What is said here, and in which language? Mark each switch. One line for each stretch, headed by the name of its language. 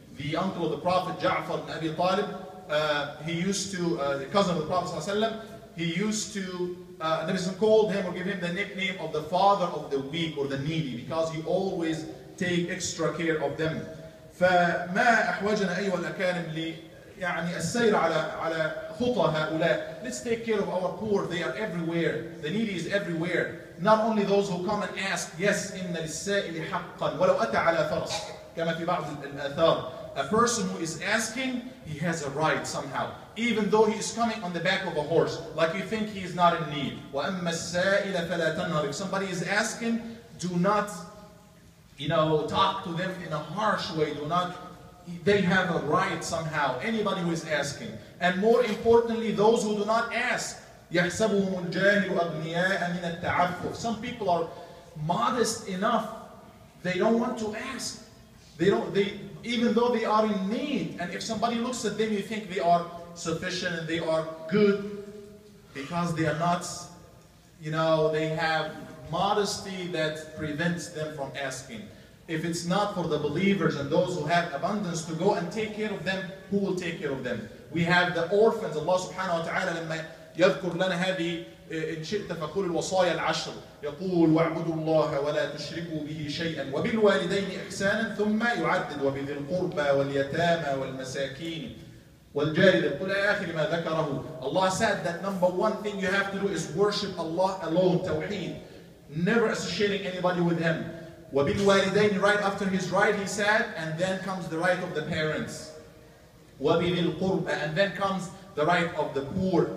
English: The uncle of the Prophet جعفر بن أبي طالب, the cousin of the Prophet
Arabic: صلى الله عليه وسلم,
English: Nabi called him or gave him the nickname of the father of the weak or the needy because he always take extra care of them.
Arabic: فما أحوجنا أيها الأكارم لي يعني السير على خطى هؤلاء.
English: Let's take care of our poor. They are everywhere. The needy is everywhere. Not only those who come and ask.
Arabic: Yes, إن للسائل حقا ولو أتى على فرس كما في بعض الآثار.
English: A person who is asking, he has a right somehow. Even though he is coming on the back of a horse, like you think he is not in need.
Arabic: وَأَمَّا السَّائِلَ فَلَا تَنْهَرْ.
English: If somebody is asking, do not, you know, talk to them in a harsh way. Do not, they have a right somehow. Anybody who is asking. And more importantly, those who do not ask.
Arabic: يَحْسَبُهُمُ الْجَاهِلُ أَغْنِيَاءَ مِنَ التَّعَفُّفِ.
English: Some people are modest enough. They don't want to ask. Even though they are in need, and if somebody looks at them, you think they are sufficient and they are good because they are not, you know, they have modesty that prevents them from asking. If it's not for the believers and those who have abundance to go and take care of them, who will take care of them? We have the orphans.
Arabic: Allah subhanahu wa ta'ala لما يذكر لنا هذه إن شئت فقول الوصايا العشر يقول واعبدوا الله ولا تشركوا به شيئا وبالوالدين إحسانا ثم يعدد وبذي القربى واليتامى والمساكين والجار ذي القربى آخر ما ذكره.
English: Allah said that number one thing you have to do is worship Allah alone, توحيد, never associating anybody with him. وبالوالدين, right after his right he said, and then comes the right of the parents.
Arabic: وبذي القربى,
English: and then comes the right of the poor.